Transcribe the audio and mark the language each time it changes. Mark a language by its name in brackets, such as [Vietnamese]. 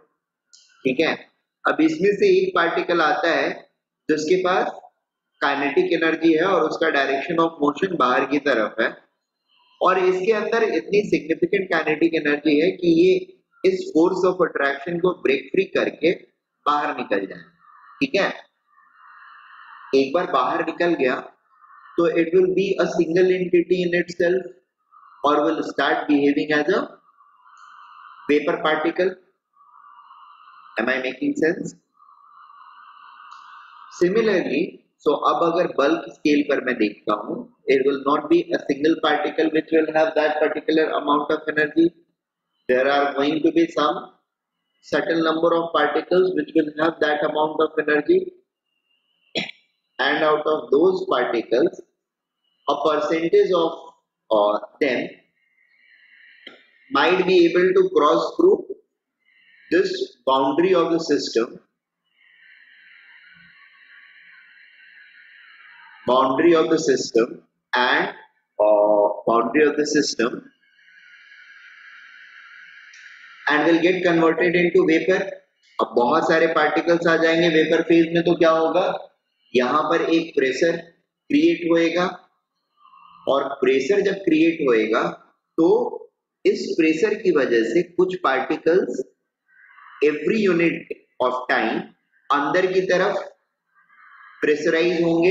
[Hindi] ठीक है, अब इसमें से एक पार्टिकल आता है जिसके पास काइनेटिक एनर्जी है और उसका डायरेक्शन ऑफ मोशन बाहर की तरफ है, और इसके अंदर इतनी सिग्निफिकेंट काइनेटिक एनर्जी है कि ये इस फोर्स ऑफ अट्रैक्शन को ब्रेक फ्री करके बाहर निकल जाए. ठीक है, एक बार बाहर निकल गया तो [English] it will be a single entity in itself [Hindi] और [English] Will start behaving as a vapour particle. Am I making sense? Similarly, so [Hindi] अब अगर bulk scale पर मैं देखता हूँ, [English] it will not be a single particle which will have that particular amount of energy. There are going to be some certain number of particles which will have that amount of energy, and out of those particles, a percentage of them might be able to cross through this boundary of the system, boundary of the system and boundary of the system, and will get converted into vapor. [Hindi] अब बहुत सारे particles आ जाएंगे vapor phase में, तो क्या होगा, यहां पर एक pressure create होएगा, और pressure जब create होएगा तो इस pressure की वजह से कुछ particles [English] every unit of time [Hindi] अंदर की तरफ प्रेशराइज होंगे.